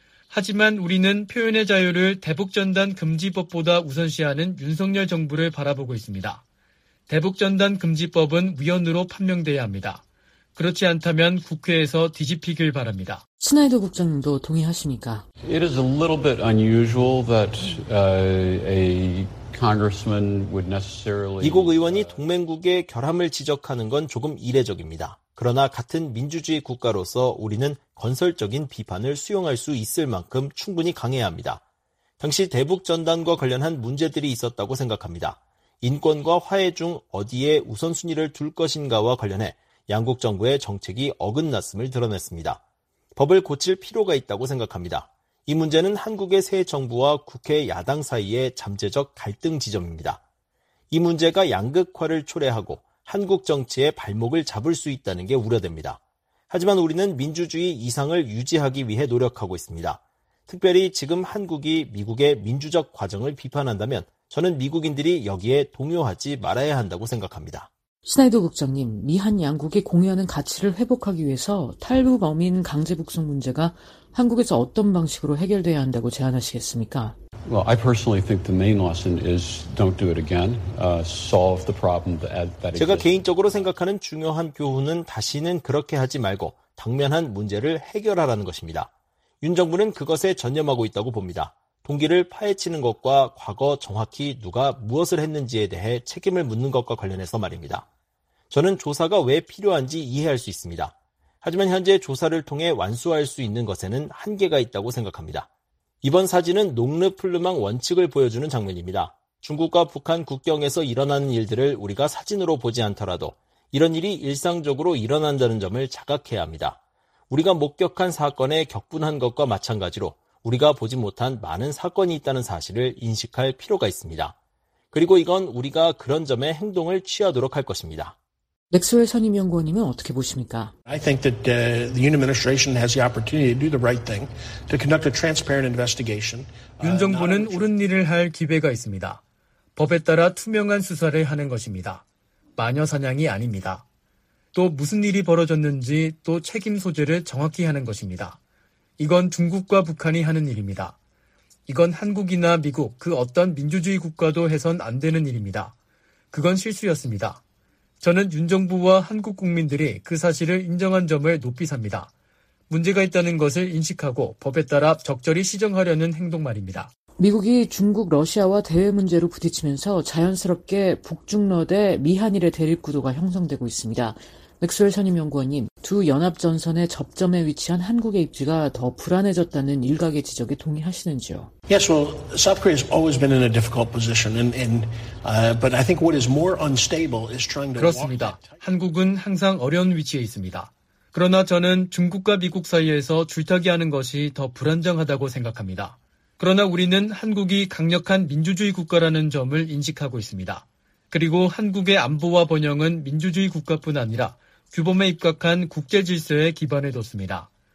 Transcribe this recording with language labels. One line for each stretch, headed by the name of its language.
Korean: 하지만 우리는 표현의 자유를 대북전단 금지법보다 우선시하는 윤석열 정부를 바라보고 있습니다. 대북전단 금지법은 위헌으로 판명돼야 합니다. 그렇지 않다면 국회에서 뒤집히길 바랍니다. 스나이더 국장님도 동의하십니까?
English: It is a little bit unusual that a congressman would necessarily
Korean: 미국 의원이 동맹국의 결함을 지적하는 건 조금 이례적입니다. 그러나 같은 민주주의 국가로서 우리는 건설적인 비판을 수용할 수 있을 만큼 충분히 강해야 합니다. 당시 대북 전단과 관련한 문제들이 있었다고 생각합니다. 인권과 화해 중 어디에 우선순위를 둘 것인가와 관련해 양국 정부의 정책이 어긋났음을 드러냈습니다. 법을 고칠 필요가 있다고 생각합니다. 이 문제는 한국의 새 정부와 국회 야당 사이의 잠재적 갈등 지점입니다. 이 문제가 양극화를 초래하고 한국 정치의 발목을 잡을 수 있다는 게 우려됩니다. 하지만 우리는 민주주의 이상을 유지하기 위해 노력하고 있습니다. 특별히 지금 한국이 미국의 민주적 과정을 비판한다면 저는 미국인들이 여기에 동요하지 말아야 한다고 생각합니다. 스나이더 국장님, 미한 양국이 공유하는 가치를 회복하기 위해서 탈북 어민 강제 북송 문제가 한국에서 어떤 방식으로 해결돼야 한다고 제안하시겠습니까?
English: Well, I personally think the main lesson is don't do it again. Solve the problem that exists.
Korean: 제가 개인적으로 생각하는 중요한 교훈은 다시는 그렇게 하지 말고 당면한 문제를 해결하라는 것입니다. 윤 정부는 그것에 전념하고 있다고 봅니다. 동기를 파헤치는 것과 과거 정확히 누가 무엇을 했는지에 대해 책임을 묻는 것과 관련해서 말입니다. 저는 조사가 왜 필요한지 이해할 수 있습니다. 하지만 현재 조사를 통해 완수할 수 있는 것에는 한계가 있다고 생각합니다. 이번 사진은 농르플루망 원칙을 보여주는 장면입니다. 중국과 북한 국경에서 일어나는 일들을 우리가 사진으로 보지 않더라도 이런 일이 일상적으로 일어난다는 점을 자각해야 합니다. 우리가 목격한 사건에 격분한 것과 마찬가지로 우리가 보지 못한 많은 사건이 있다는 사실을 인식할 필요가 있습니다. 그리고 이건 우리가 그런 점에 행동을 취하도록 할 것입니다. 맥스웰 선임 연구원님은 어떻게 보십니까?
English: I think that the Yoon administration has the opportunity to do the right thing, to conduct a transparent investigation.
Korean: 윤 정부는 옳은 일을 할 기회가 있습니다. 법에 따라 투명한 수사를 하는 것입니다. 마녀 사냥이 아닙니다. 또 무슨 일이 벌어졌는지 또 책임 소재를 정확히 하는 것입니다. 이건 중국과 북한이 하는 일입니다. 이건 한국이나 미국, 그 어떤 민주주의 국가도 해선 안 되는 일입니다. 그건 실수였습니다. 저는 윤 정부와 한국 국민들이 그 사실을 인정한 점을 높이 삽니다. 문제가 있다는 것을 인식하고 법에 따라 적절히 시정하려는 행동 말입니다. 미국이 중국, 러시아와 대외 문제로 부딪히면서 자연스럽게 북중러 대 미한일의 대립 구도가 형성되고 있습니다. 맥스웰 선임 연구원님, 두 연합 전선의 접점에 위치한 한국의 입지가 더 불안해졌다는 일각의 지적에 동의하시는지요?
English: Yes, well, South Korea has always been in a difficult position, but I think what is more unstable is trying to.
Korean: 그렇습니다. 한국은 항상 어려운 위치에 있습니다. 그러나 저는 중국과 미국 사이에서 줄타기하는 것이 더 불안정하다고 생각합니다. 그러나 우리는 한국이 강력한 민주주의 국가라는 점을 인식하고 있습니다. 그리고 한국의 안보와 번영은 민주주의 국가뿐 아니라 규범에 입각한 국제 질서에 기반을 뒀습니다.